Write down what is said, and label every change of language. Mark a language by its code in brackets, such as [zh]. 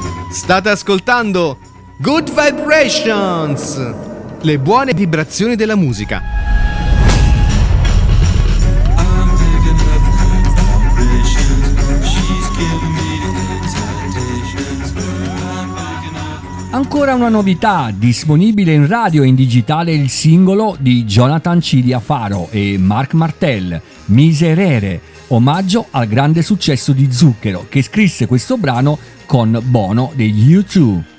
[it] State ascoltando Good Vibrations, le buone vibrazioni della musica. [en] I'm digging up good vibrations. [it] ancora una novità, disponibile in radio e in digitale il singolo di Jonathan Cilia Faro e Marc Martel, Miserere, omaggio al grande successo di Zucchero, che scrisse questo brano con Bono degli U2.